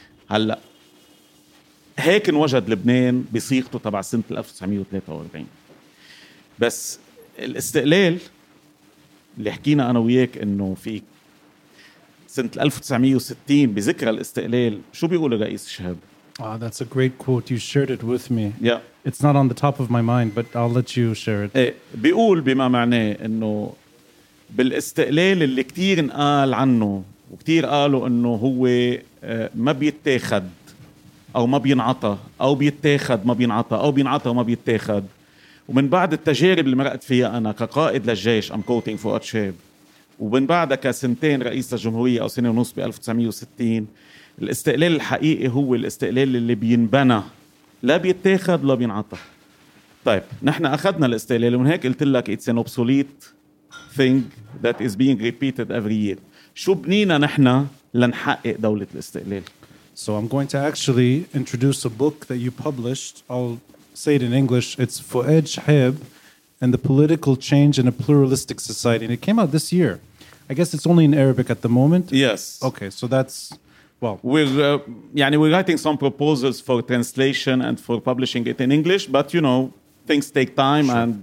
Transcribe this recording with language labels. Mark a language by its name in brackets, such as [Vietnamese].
[Arabic] هلأ هيك نوجد لبنان بصيغته تبع سنة 1943. بس الاستقلال اللي حكينا أنا وياك إنه في سنة 1960 بذكرى الاستقلال، شو بيقول الرئيس شهاب؟ [English] Ah, that's a great quote. You shared it with me. Yeah. It's not on the top of my mind, but I'll let you share it. [Arabic] بيقول بما معناه انه بالاستقلال اللي كتير نقال عنه وكتير قالوا انه هو ما بيتاخد او ما بينعطى او بيتاخد ما بينعطى او بينعطى وما بيتاخد، ومن بعد التجارب اللي مرقت فيها انا كقائد للجيش، [English] I'm quoting Fouad Chehab، [Arabic] ومن بعد كسنتين رئيس الجمهورية او سنة ونص ب 1960، الاستقلال الحقيقي هو الاستقلال اللي بينبنى، لا بيتاخد لا بينعطى. طيب نحن أخذنا الاستقلال، ومن هيك قلت لك [English] it's an obsolete thing that is being repeated every year. [Arabic] شو بنينا نحن لنحقق دولة الاستقلال؟ [English] So I'm going to actually introduce a book that you published. I'll say it in English. It's Fouad Chehab and the Political Change in a Pluralistic Society. And it came out this year. I guess it's only in Arabic at the moment. Yes. Okay, so that's... Well, we're writing some proposals for translation and for publishing it in English, but you know, things take time, sure.